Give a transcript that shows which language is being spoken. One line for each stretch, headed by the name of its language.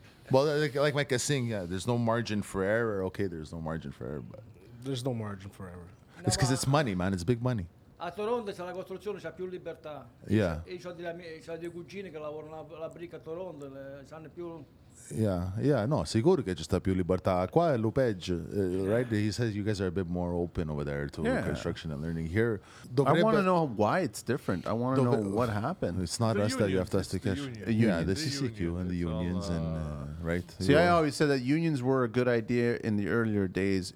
English: Well, like Mike is saying, yeah, there's no margin for error. Okay, there's no margin for error. But there's no margin for error. It's because it's money, man. It's big money.
Italian: A Toronto c'è la costruzione, c'è più libertà.
English: Yeah.
Italian: E c'ho dei cugini che lavorano alla briga a Toronto, sanno più. Yeah, yeah, no, sicuro che c'è sta più libertà. Qua è lo peggio, right?
English: He says you guys are a bit more open over there to construction and learning here. I want to know why it's different. I want to know what happened. It's not the us union. That you have to ask to catch. The CCQ union. And the unions all, right? See, yeah. I always said that unions were a good idea in the earlier days.